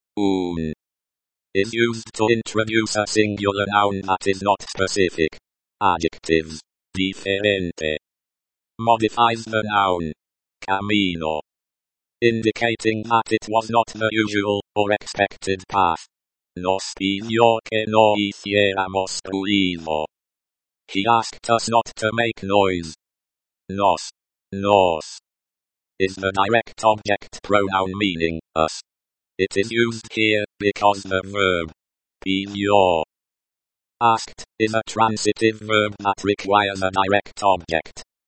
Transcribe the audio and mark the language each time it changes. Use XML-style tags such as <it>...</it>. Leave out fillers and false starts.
<es>Un.</es> <en>Is used to introduce a singular noun that is not specific. Adjectives.</en> <es>Diferente.</es> <en>Modifies the noun.</en> <es>Camino.</es> <en>Indicating that it was not the usual or expected path.</en> <es>Nos pidió que no hiciéramos ruido.</es> <en>He asked us not to make noise.</en> <es>Nos. Nos.</es> <en>Is the direct object pronoun meaning us. It is used here because the verb</en> <es>pidió</es> <en>asked is a transitive verb that requires a direct object.</en>